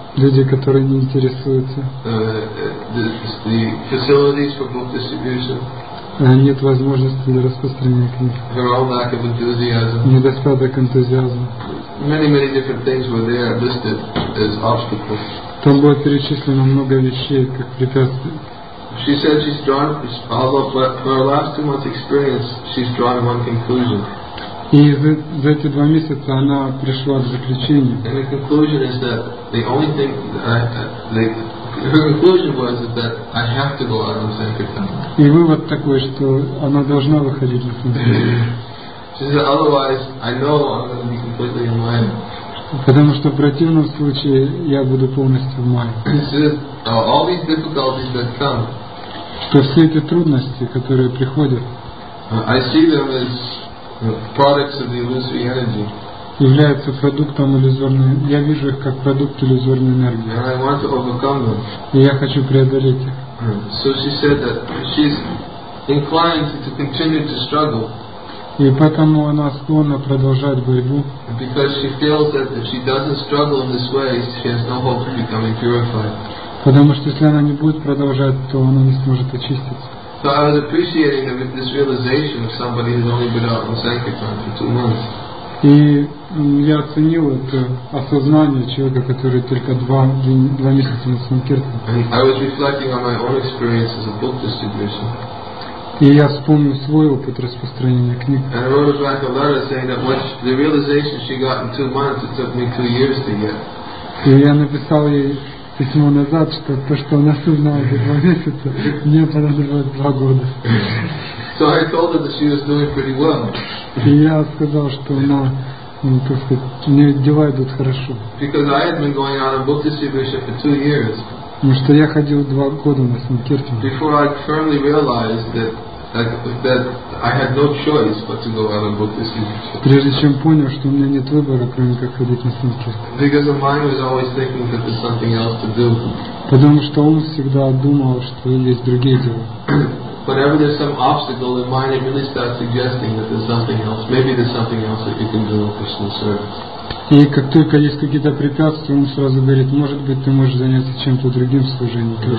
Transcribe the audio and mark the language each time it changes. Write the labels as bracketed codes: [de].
[ru] Люди, которые не интересуются. [en] The facilities for book distribution. [ru] Нет возможности для распространения книг. [en] Their own lack of enthusiasm. [ru] Недостаток энтузиазма. [en] Many, many different things were there listed as obstacles. [ru] Там было перечислено много вещей, как препятствия. [en] She said she's drawn, although for her last 2 months experience, she's drawn one conclusion. [ru] И за эти 2 месяца она пришла к заключению. [en] And the conclusion is that the only thing her conclusion was is that I have to go out on sankirtan. [ru] И вывод такой, что она должна выходить на сankirtan. [en] She said, otherwise I know I'm going to be completely in line. [ru] Потому что в противном случае я буду полностью в мае. [en] All these difficulties that come. [ru] Что все эти трудности, которые приходят. [en] I see them as products of the illusory energy. [ru] Являются продуктом иллюзорной. Я вижу их как продукт иллюзорной энергии. [en] And I want to overcome them. [ru] И я хочу преодолеть их. [en] So she said that she's inclined to continue to struggle. [ru] И поэтому она склонна продолжать борьбу. [en] Because she feels that if she doesn't struggle in this way, she has no hope of becoming purified. [ru] Потому что если она не будет продолжать, то она не сможет очиститься. [en] So I was appreciating this realization of somebody who's only been out on sankirtan for 2 months. [ru] И я оценил это осознание человека, который только два месяца на санкиртане. [en] I was reflecting on my own experience as a book distributor. [ru] И я вспомнил свой опыт распространения книг. [en] And I wrote her back a letter saying that what the realization she got in 2 months, it took me 2 years to get. [ru] И я написал ей письмо назад, что то, что она узнала за 2 месяца, мне понадобилось 2 года. [en] So I told her that she was doing pretty well. [ru] И я сказал, что она, так сказать, у нее дела идут хорошо. [en] Because I had been going out on book distribution for 2 years. [ru] Потому что я ходил 2 года на санкиртан. [en] Before I firmly realized that I had no choice but to go out on book distribution. [ru] Прежде чем понял, что у меня нет выбора, кроме как ходить на санкиртан. [en] Because the mind was always thinking that there's something else to do. [ru] Потому что ум всегда думал, что есть другие дела. [en] Whenever there's some obstacle, the mind really starts suggesting that there's something else. Maybe there's something else that you can do in Krishna service. [ru] И как только есть какие-то препятствия, он сразу говорит, может быть, ты можешь заняться чем-то другим в служении.